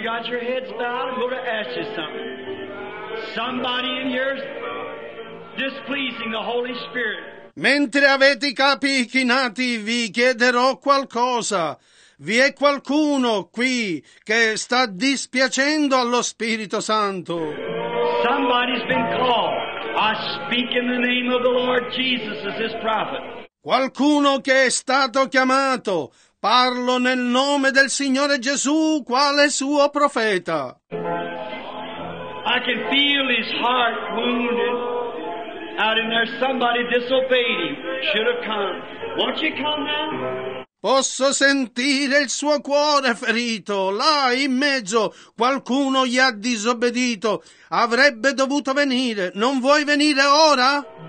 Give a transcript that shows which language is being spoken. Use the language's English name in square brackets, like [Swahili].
[English] your heads bowed, I'm going to ask you something. Somebody in here is displeasing the Holy Spirit. [Italian] Mentre avete i capi chinati, vi chiederò qualcosa. Vi è qualcuno qui che sta dispiacendo allo Spirito Santo? [English] Somebody's been called. I speak in the name of the Lord Jesus as this prophet. [Italian] Qualcuno che è stato chiamato. Parlo nel nome del Signore Gesù, quale suo profeta. [English] I can feel his heart wounded. Out in there, somebody disobeyed him. Should have come. Won't you come now? [Italian] Posso sentire il suo cuore ferito. Là in mezzo qualcuno gli ha disobbedito. Avrebbe dovuto venire. Non vuoi venire ora?